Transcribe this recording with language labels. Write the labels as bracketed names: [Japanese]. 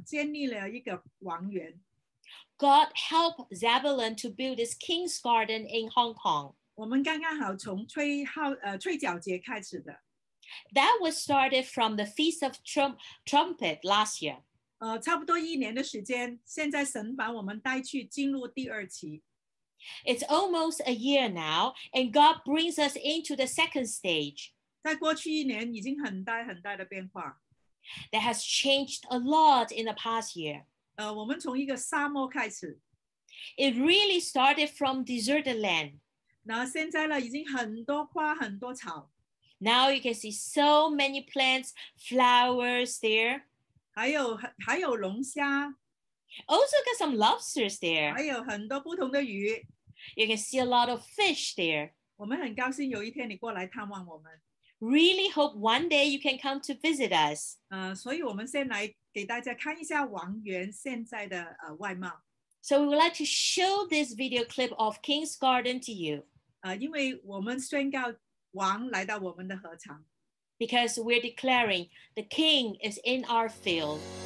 [Chinese] 神让我们西布伦在香港建立了一个王园。 [English] God helped Zebulun to build this King's Garden in Hong Kong. [Chinese] 我们刚刚好从吹角节开始的。 [English] That was started from the Feast of Trumpet last year. [Chinese] 差不多一年的时间，现在神把我们带去进入第二期。 [English] It's almost a year now, and God brings us into the second stage. [Chinese] 在过去一年已经很大很大的变化。 [English] That has changed a lot in the past year. [Chinese] 我们从一个沙漠开始。 [English] It really started from deserted land. [Chinese] 那现在呢，已经很多花，很多草。 [English] Now you can see so many plants, flowers there. [Chinese] 还有龙虾, [English] also got some lobsters there. [Chinese] 还有很多不同的鱼, [English] you can see a lot of fish there. [Chinese] 我们很高兴有一天你过来探望我们。 [English] Really hope one day you can come to visit us. [Chinese] 所以我们先来给大家看一下王园现在的, [English] So we would like to show this video clip of King's Garden to you. [Chinese] 因为我们宣告王来到我们的禾场。 [English] Because we're declaring the king is in our field.